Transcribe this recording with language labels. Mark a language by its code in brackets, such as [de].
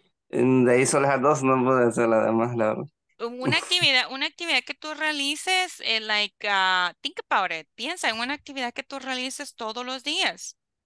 [es] De ahí solo dos, no puedo hacer la demás, la verdad. Una actividad que tú realices, [en] think about it. [es] Piensa en una actividad que tú realices todos los días.